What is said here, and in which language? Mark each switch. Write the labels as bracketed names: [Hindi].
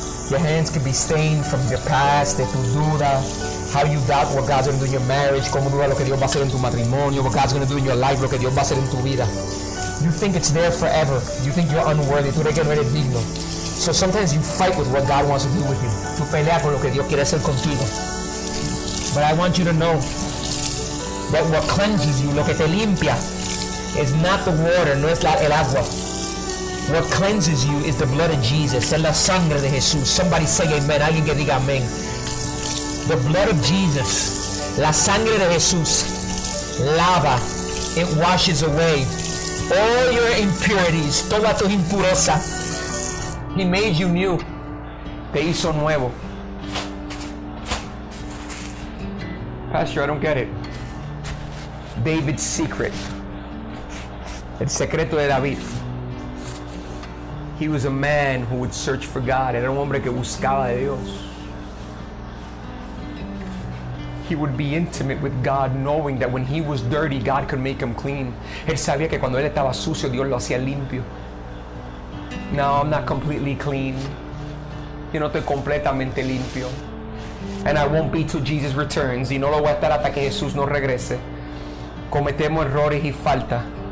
[English] Your hands could be stained from your past, [Spanish] de tu duda. [English] How you doubt what God's going to do in your marriage, [Spanish] cómo duda lo que Dios va a hacer en tu matrimonio, [English] what God's going to do in your life, [Spanish] lo que Dios va a hacer en tu vida. [English] You think it's there forever. You think you're unworthy. [Spanish] Tú crees que no eres digno. [English] So sometimes you fight with what God wants to do with you. [Spanish] Tú peleas con lo que Dios quiere hacer contigo. [English] But I want you to know that what cleanses you, [Spanish] lo que te limpia, [English] is not the water, [Spanish] no es el agua. [English] What cleanses you is the blood of Jesus, [Spanish] es la sangre de Jesús. [English] Somebody say amen, [Spanish] alguien que diga amén. [English] The blood of Jesus, [Spanish] la sangre de Jesús, lava, [English] it washes away all your impurities, [Spanish] toda tu impureza. [English] He made you new, [Spanish] te hizo nuevo. [English] Pastor, I don't get it. David's secret, [Spanish] el secreto de David. [English] He was a man who would search for God. [Spanish] Era un hombre que buscaba a Dios. [English] He would be intimate with God, knowing that when he was dirty, God could make him clean. [Spanish] Él sabía que cuando él estaba sucio, Dios lo hacía limpio. [English] No, I'm not completely clean. [Spanish] Yo no estoy completamente limpio. [English] And I won't be till Jesus returns. [Spanish] Y no lo voy a estar hasta que Jesús no regrese. Cometemos errores y falta.